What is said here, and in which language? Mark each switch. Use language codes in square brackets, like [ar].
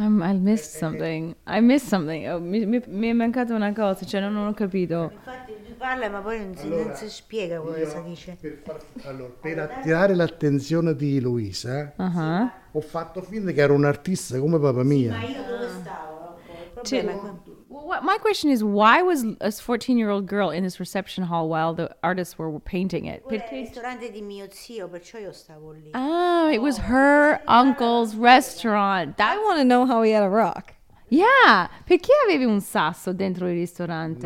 [en] I missed something. [it] Oh, mi è mancata una cosa, cioè non ho capito. Infatti lui parla, ma poi non si spiega cosa dice. Per attirare l'attenzione di Luisa, uh-huh. Ho fatto finta che ero un artista come papà mio. Sì, ma io dove stavo? [en] My question is, why was a 14-year-old girl in this reception hall while the artists were painting it? It was her uncle's restaurant. I want to know how he had a rock. [it] Yeah, perché avevi un sasso dentro il ristorante?